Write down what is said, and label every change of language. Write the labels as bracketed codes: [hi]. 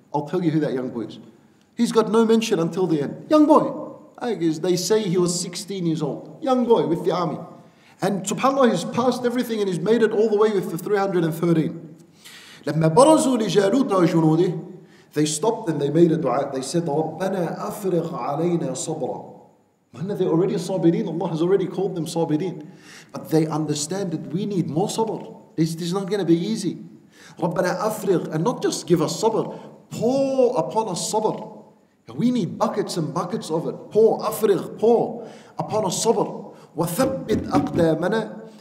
[en] I'll tell you who that young boy is. He's got no mention until the end. Young boy. I guess they say he was 16 years old. Young boy with the army. And subhanAllah, he's passed everything and he's made it all the way with the 313. [ar] لَمَّا بَرَزُوا لِجَالُوتَ وَجُنُودِهِ. [en] They stopped and they made a dua. They said, [ar] رَبَّنَا أَفْرِغْ عَلَيْنَا صَبْرًا. [en] They're already sabirin. Allah has already called them sabirin. But they understand that we need more sabr. This is not going to be easy. [ar] رَبَّنَا أَفْرِغْ. [en] And not just give us sabr. Pour upon us sabr. We need buckets and buckets of it. Pour, afrigh, pour upon us sabr. [ar] وَثَبِّتْ أَقْدَامَنَا.